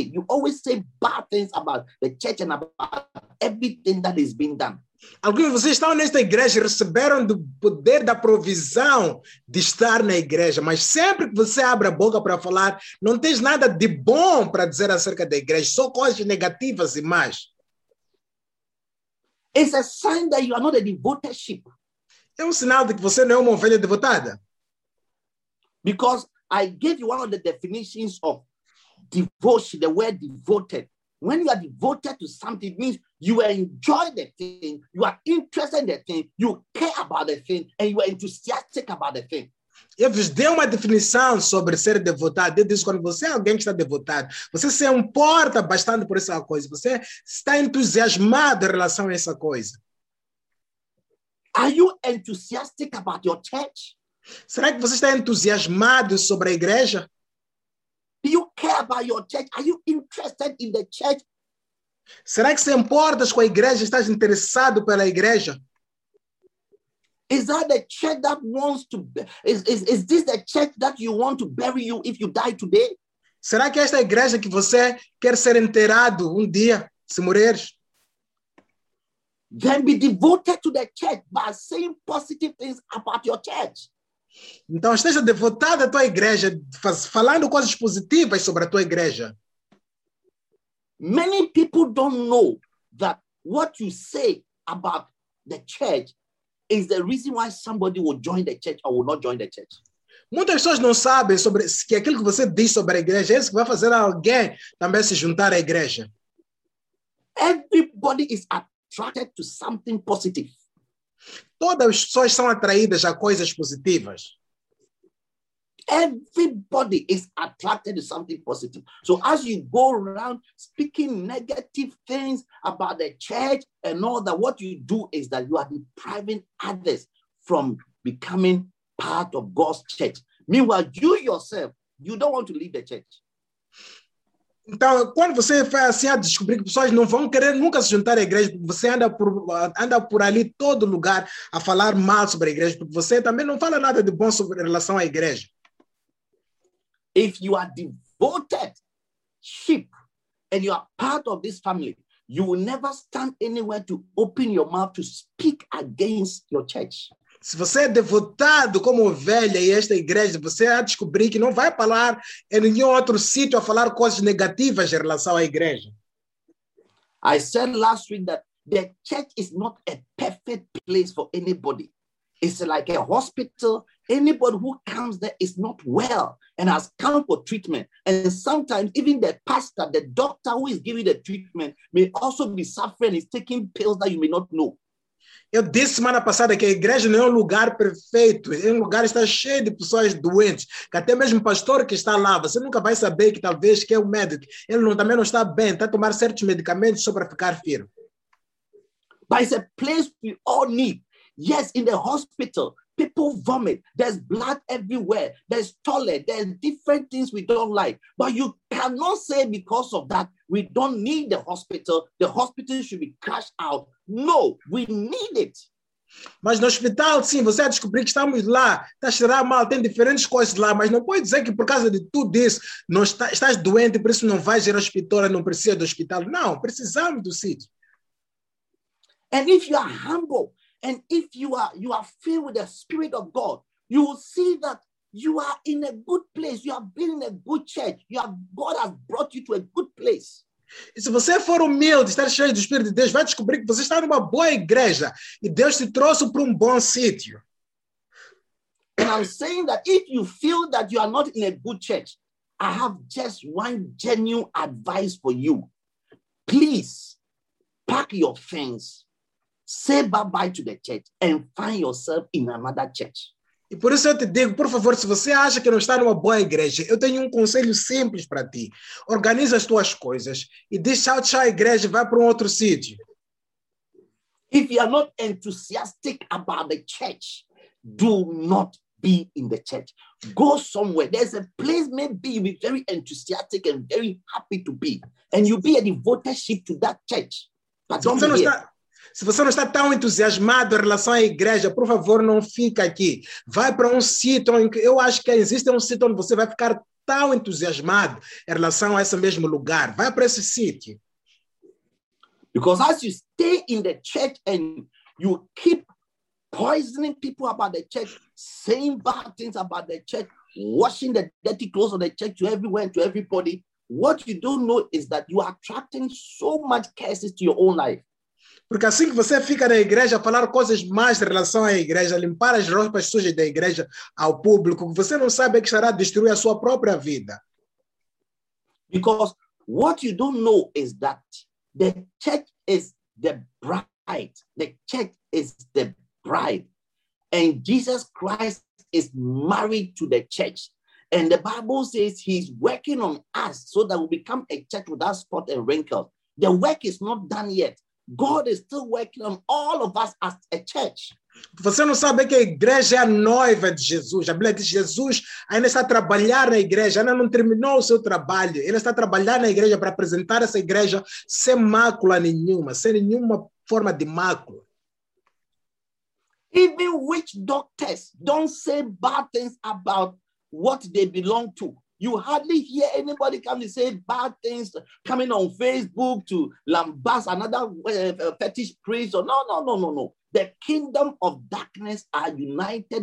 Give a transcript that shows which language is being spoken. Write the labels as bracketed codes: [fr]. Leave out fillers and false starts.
[en] You always say bad things about the church and about everything that is being done. [pt] Alguns de vocês estão nesta igreja e receberam do poder da provisão de estar na igreja, mas sempre que você abre a boca para falar, não tens nada de bom para dizer acerca da igreja, só coisas negativas e más. [en] It's a sign that you are not a devoted sheep. [pt] É um sinal de que você não é uma ovelha devotada. [en] Because I gave you one of the definitions of devotion, the word devoted. When you are devoted to something, it means you enjoy the thing, you are interested in the thing, you care about the thing, and you are enthusiastic about the thing. [pt] Eu vos dei uma definição sobre ser devotado. Eu disse, quando você é alguém que está devotado, você se importa bastante por essa coisa, você está entusiasmado em relação a essa coisa. [en] Are you enthusiastic about your church? [pt] Será que você está entusiasmado sobre a igreja? [en] Do you care about your church? Are you interested in the church? [pt] Será que você importas com a igreja? Estás interessado pela igreja? [en] Is that the church that wants to is this the church that you want to bury you if you die today? [pt] Será que esta é a igreja que você quer ser enterrado dia se morreres? [en] Then be devoted to the church by saying positive things about your church. [pt] Então esteja devotado à tua igreja, falando coisas positivas sobre a tua igreja. [en] Many people don't know that what you say about the church is the reason why somebody will join the church or will not join the church. [pt] Muitas pessoas não sabem sobre que aquilo que você diz sobre a igreja é isso que vai fazer alguém também se juntar à igreja. [en] Everybody is attracted to something positive. [pt] Todas as pessoas são atraídas a coisas positivas. [en] Everybody is attracted to something positive. So as you go around speaking negative things about the church and all that, what you do is that you are depriving others from becoming part of God's church. Meanwhile, you yourself, you don't want to leave the church. [pt] Então, quando você faz assim, a descobrir que pessoas não vão querer nunca se juntar à igreja, porque você anda por ali todo lugar a falar mal sobre a igreja, porque você também não fala nada de bom sobre relação à igreja. [en] If you are devoted sheep and you are part of this family, you will never stand anywhere to open your mouth to speak against your church. [pt] Se você é devotado como ovelha e esta igreja, você vai descobrir que não vai falar em nenhum outro sítio a falar coisas negativas em relação à igreja. [en] I said last week that the church is not a perfect place for anybody. It's like a hospital. Anybody who comes there is not well and has come for treatment. And sometimes even the pastor, the doctor who is giving the treatment may also be suffering, is taking pills that you may not know. [pt] Eu disse semana passada que a igreja não é um lugar perfeito, é um lugar que está cheio de pessoas doentes, que até mesmo o pastor que está lá, você nunca vai saber que talvez que é o médico, ele não, também não está bem, está a tomar certos medicamentos só para ficar firme. [en] But it's a place we all need. Yes, in the hospital, people vomit, there's blood everywhere, there's toilet, there's different things we don't like, but you cannot say because of that, we don't need the hospital should be crashed out. No, we need it. [pt] Mas no hospital, sim, você vai descobrir que estamos lá, está cheirar mal, tem diferentes coisas lá, mas não pode dizer que por causa de tudo isso, não está, estás doente, por isso não vais ir ao hospital, não precisa do hospital. Não, precisamos do sítio. [en] And if you are humble, and if you are filled with the Spirit of God, you will see that you are in a good place, you have been in a good church, God has brought you to a good place. [pt] E se você for humilde, estar cheio do Espírito de Deus, vai descobrir que você está numa boa igreja e Deus te trouxe para bom sítio. [en] And I'm saying that if you feel that you are not in a good church, I have just one genuine advice for you. Please pack your things, say bye-bye to the church and find yourself in another church. [pt] E por isso eu te digo, por favor, se você acha que não está numa boa igreja, eu tenho conselho simples para ti. Organiza as tuas coisas e diz tchau, tchau, igreja, vai para outro sítio. [en] If you are not enthusiastic about the church, do not be in the church. Go somewhere. There's a place maybe you'll be very enthusiastic and very happy to be. And you'll be a devoted sheep to that church. But don't be here. [pt] Se você não está tão entusiasmado em relação à igreja, por favor, não fique aqui. Vai para sítio em que eu acho que existe sítio onde você vai ficar tão entusiasmado em relação a esse mesmo lugar. Vai para esse sítio. [en] Because as you stay in the church and you keep poisoning people about the church, saying bad things about the church, washing the dirty clothes of the church to everywhere and to everybody, what you don't know is that you are attracting so much curses to your own life. [pt] Porque assim que você fica na igreja, falar coisas más em relação à igreja, limpar as roupas sujas da igreja ao público, você não sabe que estará a destruir a sua própria vida. [en] Because what you don't know is that the church is the bride. The church is the bride. And Jesus Christ is married to the church. And the Bible says he's working on us so that we become a church without spot and wrinkle. The work is not done yet. God is still working on all of us as a church. [pt] Você não sabe que a igreja é a noiva de Jesus. A Bíblia diz que Jesus ainda está a trabalhar na igreja, ainda não terminou o seu trabalho. Ele está a trabalhar na igreja para apresentar essa igreja sem mácula nenhuma, sem nenhuma forma de mácula. [en] Even witch doctors don't say bad things about what they belong to. You hardly hear anybody come and say bad things coming on Facebook to lambast another fetish priest. Or No. The kingdom of darkness are united.